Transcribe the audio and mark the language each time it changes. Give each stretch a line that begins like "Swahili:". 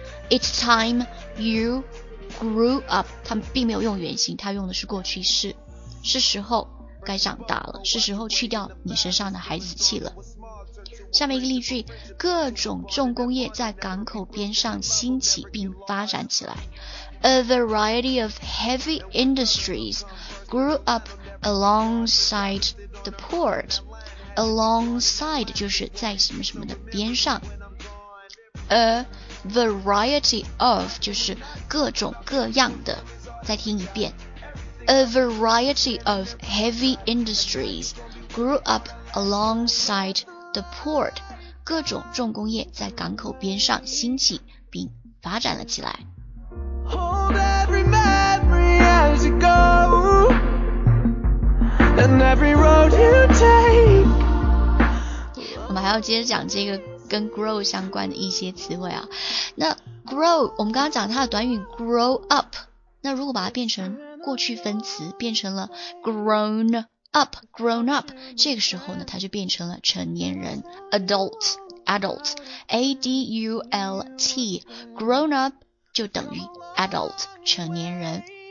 English: It's time you grew up.
Chinese: 他们并没有用原形，他用的是过去式。是时候该长大了，是时候去掉你身上的孩子气了。下面一个例句，各种重工业在港口边上兴起并发展起来。
English: A variety of heavy industries grew up alongside the port.
Chinese: Alongside 就是在什么什么的边上。 A variety of 就是各种各样的，再听一遍。
English: A variety of heavy industries grew up alongside the port.
Chinese: 各种重工业在港口边上兴起并发展了起来。
English: Hold every memory as you go and every road you take.
Chinese: 我们还要接着讲这个跟 grow 相关的一些词汇啊。那 grow 我们刚刚讲它的短语 grow up， 那如果把它变成过去分词，变成了 grown up， grown up， 这个时候呢它就变成了成年人 adult， adult， A-D-U-L-T， grown up 就等于 adult， 成年人。